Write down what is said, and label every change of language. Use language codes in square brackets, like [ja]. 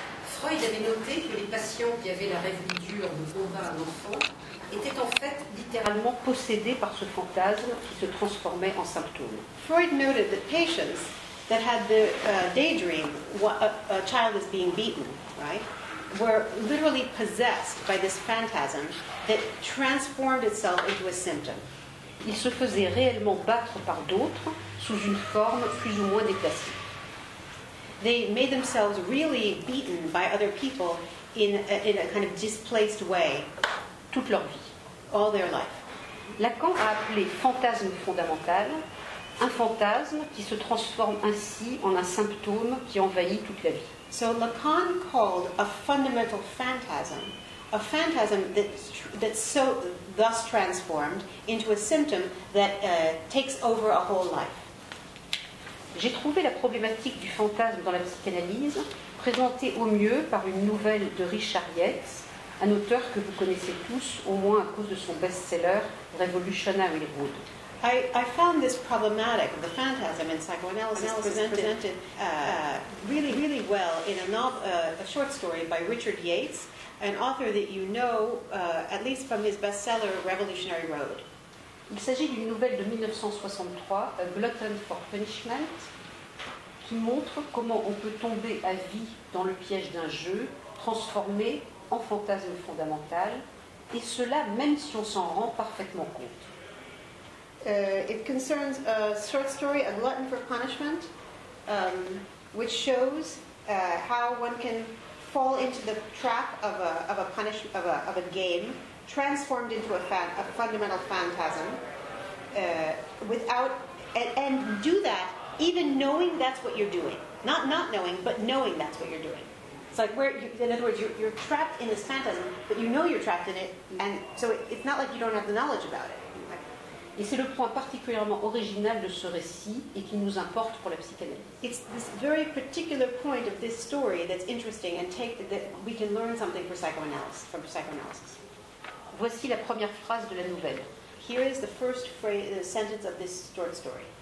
[fr] Freud avait noté que les patients qui avaient la rêve dure de bovin à l'enfant étaient en fait littéralement possédés par ce fantasme qui se transformait en symptôme. [en] Freud noted that patients that had the daydream, a child is being beaten, right, were literally possessed by this phantasm that transformed itself into a symptom. [fr] Ils se faisaient réellement battre par d'autres sous une forme plus ou moins déplacée. [en] They made themselves really beaten by other people in a kind of displaced way. [fr] Toute leur vie. [en] All their life. [fr] Lacan a appelé fantasme fondamental un fantasme qui se transforme ainsi en un symptôme qui envahit toute la vie. [en] So Lacan called a fundamental phantasm a phantasm that's thus transformed into a symptom that takes over a whole life. [fr] J'ai trouvé la problématique du fantasme dans la psychanalyse présentée au mieux par une nouvelle de Richard Yates, un auteur que vous connaissez tous, au moins à cause de son best-seller Revolutionary Road. [en] I found this problematic, the phantasm in psychoanalysis, presented really well in a short story by Richard Yates, an author that you know at least from his best-seller Revolutionary Road. [fr] Il s'agit d'une nouvelle de 1963, A Glutton for Punishment, qui montre comment on peut tomber à vie dans le piège d'un jeu, transformé en fantasme fondamental, et cela même si on s'en rend parfaitement compte. [en] It concerns a short story, A Glutton for Punishment, which shows how one can fall into the trap of a game, transformed into a fundamental phantasm without and do that even knowing that's what you're doing. Not knowing, but knowing that's what you're doing. It's like, in other words, you're trapped in this phantasm, but you know you're trapped in it, and so it's not like you don't have the knowledge about it. [fr] Et c'est le point particulièrement original de ce récit et qui nous importe pour la psychanalyse. [en] It's this very particular point of this story that's interesting and that we can learn something from psychoanalysis. [fr] Voici la première phrase de la nouvelle. [en] Here is the first phrase, the sentence of this short story.